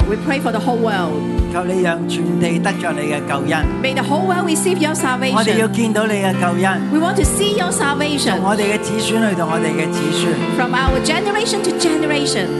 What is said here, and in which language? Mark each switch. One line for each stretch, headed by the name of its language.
English: We pray for the whole world.
Cantonese: 求你让全地得着你嘅救恩。
English: May the whole world receive your salvation.
Cantonese: 我哋要见到你嘅救恩。
English: We want to see your salvation.
Cantonese: 从我哋嘅子孙去到我哋嘅子孙。
English: From our generation to generation.